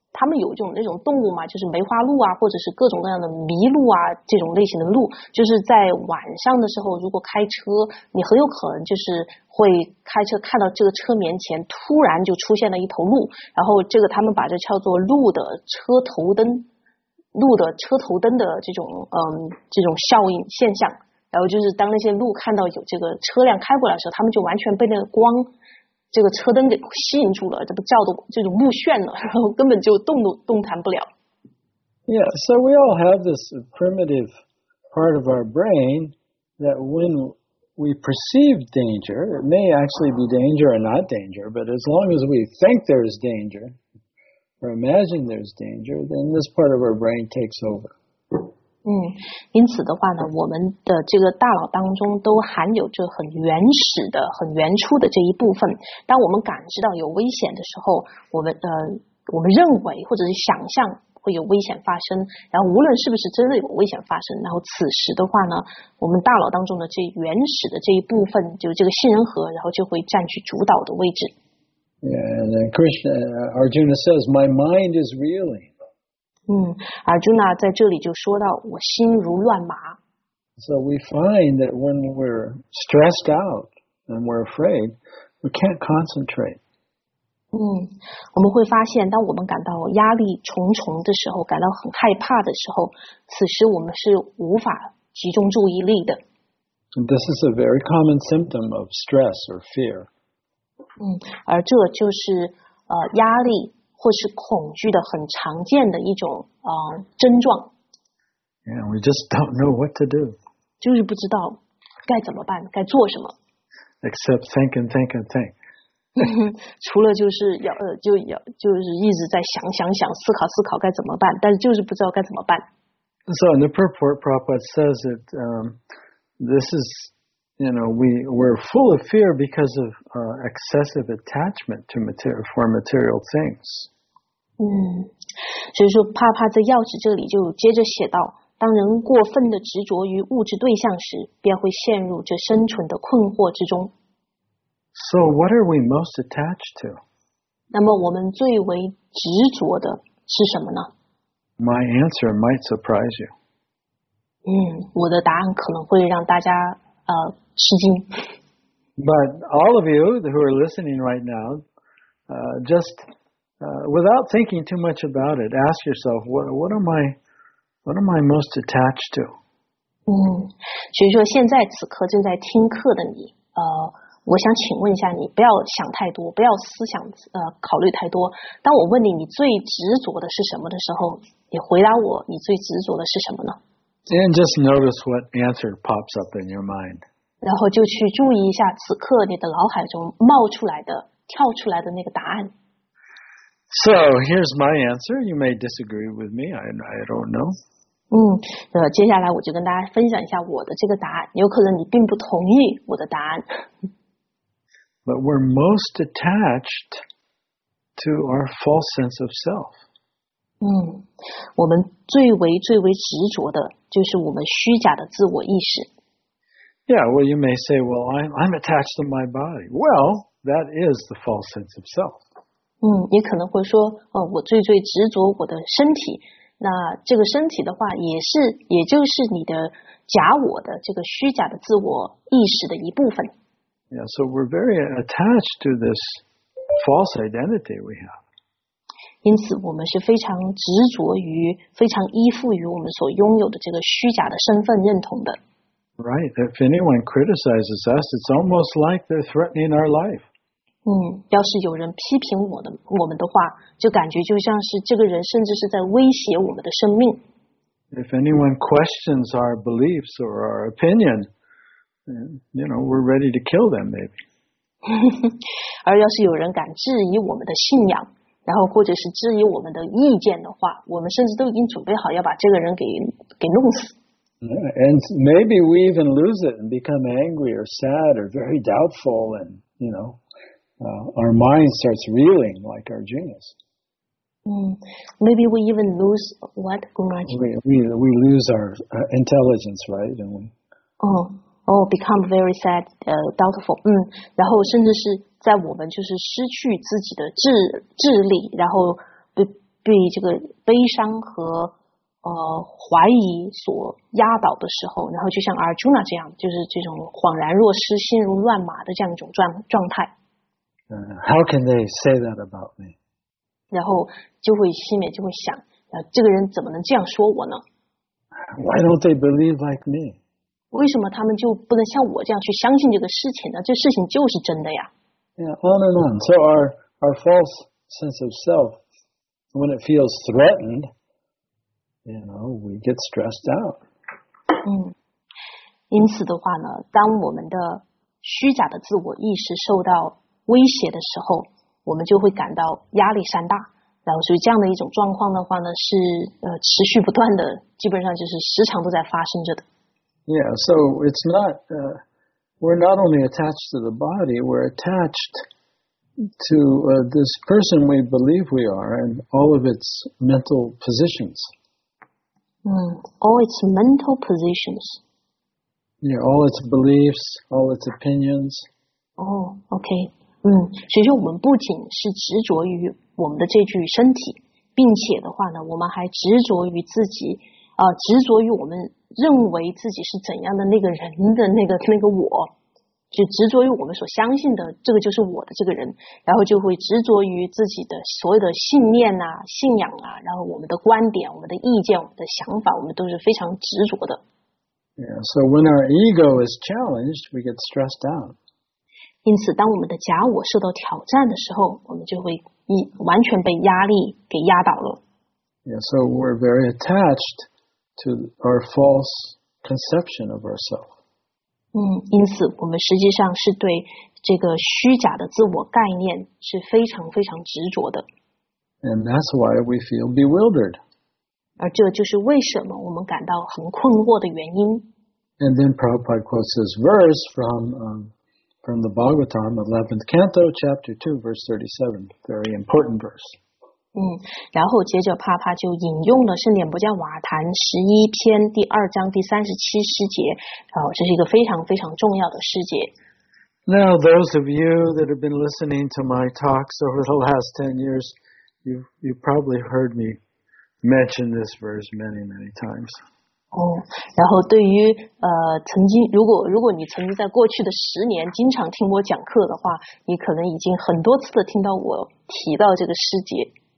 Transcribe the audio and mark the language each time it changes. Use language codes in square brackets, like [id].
[zh] 他们有一种那种动物嘛，就是梅花鹿啊，或者是各种各样的麋鹿啊，这种类型的鹿，就是在晚上的时候，如果开车，你很有可能就是会开车看到这个车面前突然就出现了一头鹿，然后这个他们把这叫做鹿的车头灯。鹿的车头灯的这种效应现象，然后就是当那些鹿看到有这个车辆开过来的时候，他们就完全被那个光，这个车灯给吸引住了，这不叫的这种目眩了，然后根本就动弹不了。 [en] Yeah, so we all have this primitive part of our brain that when we perceive danger, it may actually be danger or not danger, but as long as we think there is danger. Or imagine there's danger, then this part of our brain takes over. [zh] 因此的话呢，我们的这个大脑当中都含有着很原始的、很原初的这一部分。当我们感知到有危险的时候，我们认为或者是想象会有危险发生，然后无论是不是真的有危险发生，然后此时的话呢，我们大脑当中的这原始的这一部分，就是这个杏仁核，然后就会占据主导的位置。 [en] Yeah, and Krishna, Arjuna says, "My mind is reeling." [zh] Arjuna 在这里就说到，我心如乱麻。 [en] So we find that when we're stressed out and we're afraid, we can't concentrate. [zh] 我们会发现，当我们感到压力重重的时候，感到很害怕的时候，此时我们是无法集中注意力的。 [en] And this is a very common symptom of stress or fear. [zh] 而这就是压力或是恐惧的很常见的一种症状。 [en] Yeah, we just don't know what to do. [zh] 就是不知道该怎么办，该做什么。 [en] Except think and think and think. [zh] 除了就是要就是一直在想想想思考思考该怎么办，但是就是不知道该怎么办。 [en] So in the purport, Prabhupada says that this is, you know, we're full of fear because of excessive attachment to material things. [zh] 所以说帕帕在钥匙这里就接着写道，当人过分的执着于物质对象时，便会陷入这生存的困惑之中。 [en] So what are we most attached to? [zh] 那么我们最为执着的是什么呢？ [en] My answer might surprise you. [zh] 我的答案可能会让大家吃惊。 [en] But all of you who are listening right now, just without thinking too much about it, ask yourself, what am I most attached to? [zh] 所以说现在此刻正在听课的你，我想请问一下你，不要想太多，不要思想考虑太多。当我问你你最执着的是什么的时候，你回答我你最执着的是什么呢？ [en] And just notice what answer pops up in your mind. [zh] 然后就去注意一下此刻你的脑海中冒出来的跳出来的那个答案。 [en] So here's my answer. You may disagree with me. I don't know. [zh] 接下来我就跟大家分享一下我的这个答案。有可能你并不同意我的答案。 [en] But we're most attached to our false sense of self. [zh] 我们最为最为执着的就是我们虚假的自我意识。 [en] Yeah, well, you may say, well, I'm attached to my body. Well, that is the false sense of self. [zh] 你可能会说，我最最执着我的身体，那这个身体的话，也就是你的假我的这个虚假的自我意识的一部分。 [en] Yeah, so we're very attached to this false identity we have. [zh] 因此，我们是非常执着于、非常依附于我们所拥有的这个虚假的身份认同的。 [en] Right. If anyone criticizes us, it's almost like they're threatening our life. [zh] 要是有人批评我们的话，就感觉就像是这个人甚至是在威胁我们的生命。 [en] If anyone questions our beliefs or our opinion, then, you know, we're ready to kill them, maybe. [zh] 而要是有人敢质疑我们的信仰，然后或者是质疑我们的意见的话，我们甚至都已经准备好要把这个人给弄死。 [en] Yeah, and maybe we even lose it and become angry or sad or very doubtful and, you know,our mind starts reeling like our genius. Maybe we even lose what? We lose our intelligence, right? And we, become very sad, doubtful. [zh] 然后甚至是在我们就是失去自己的智力，然后被这个悲伤和怀疑所压倒的时候，然后就像 Arjuna 这样，就是这种恍然若失、心如乱麻的这样一种状态。 [en] How can they say that about me? [zh] 然后就会心里面就会想，这个人怎么能这样说我呢？ [en] Why don't they believe like me? [zh] 为什么他们就不能像我这样去相信这个事情呢？这事情就是真的呀。 [en] Yeah, on and on. So our false sense of self, when it feels threatened, you know, we get stressed out. [zh] 因此的话呢，当我们的虚假的自我意识受到威胁的时候，我们就会感到压力山大，然后所以这样的一种状况的话呢，是持续不断的，基本上就是时常都在发生着的。 [en] Yeah, so it's not we're not only attached to the body, we're attached to this person we believe we are and all of its mental positions. All its mental positions. Yeah, all its beliefs, all its opinions. Oh, okay. [zh] 所以说我们不仅是执着于我们的这具身体，并且的话呢，我们还执着于自己，执着于我们认为自己是怎样的那个人的那个我，就执着于我们所相信的这个就是我的这个人，然后就会执着于自己的所有的信念啊信仰啊，然后我们的观点我们的意见我们的想法我们都是非常执着的。 [en] Yeah, so when our ego is challenged, we get stressed out. [zh] 因此当我们的假我受到挑战的时候，我们就会完全被压力给压倒了。 [en] Yeah, so we're very attached to our false conception of ourselves. [zh] 因此我们实际上是对这个虚假的自我概念是非常非常执着的。 [en] And that's why we feel bewildered. [zh] 而这就是为什么我们感到很困惑的原因。 [en] And then Prabhupada quotes this verse from the Bhagavatam, 11th Canto, chapter 2, verse 37, very important verse. [zh] 然后接着帕帕就引用了圣典不叫瓦坛十一篇第二章第三十七诗节，这是一个非常非常重要的诗节。 [en] Now, those of you that have been listening to my talks over the last 10 years, you probably heard me mention this verse many, many times. [zh] 然后对于曾经如果你曾经在过去的十年经常听我讲课的话，你可能已经很多次的听到我提到这个诗节。